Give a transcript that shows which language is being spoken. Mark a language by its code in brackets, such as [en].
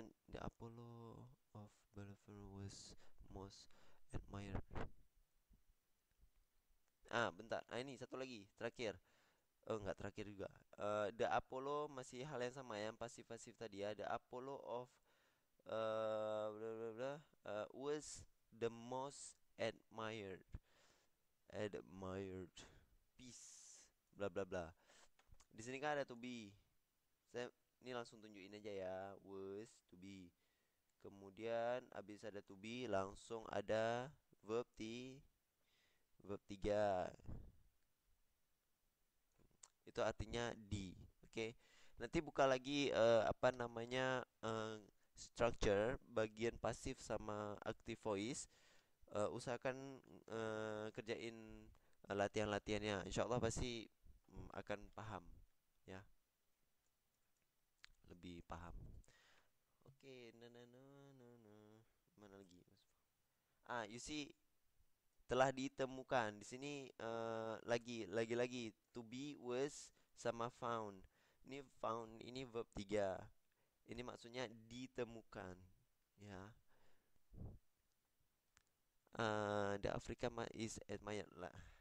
[en] The Apollo of Belvoir was most admired. [id] Ah, bentar. Ah, ini satu lagi, terakhir. Oh, enggak terakhir juga. The Apollo masih hal yang sama yang pasif-pasif tadi ya. [en] The Apollo of bla bla bla was the most admired. Admired. Peace. Bla bla bla. [id] Di sini kan ada [en] to be. [id] Saya ini langsung tunjukin aja ya, [en] was to be. [id] Kemudian habis ada [en] to be [id] langsung ada verb di verb 3. Itu artinya di. Oke. Nanti buka lagi apa namanya [en] structure [id] bagian pasif sama [en] active voice. [id] Usahakan kerjain latihan-latihannya. Insyaallah pasti akan paham ya. Lebih paham. Oke, okay, na na na na. Mana lagi? Ah, [en] you see [id] telah ditemukan di sini lagi [en] to be was [id] sama [en] found. [id] Ini found ini verb 3. Ini maksudnya ditemukan ya. [en] The Africa is admired lah.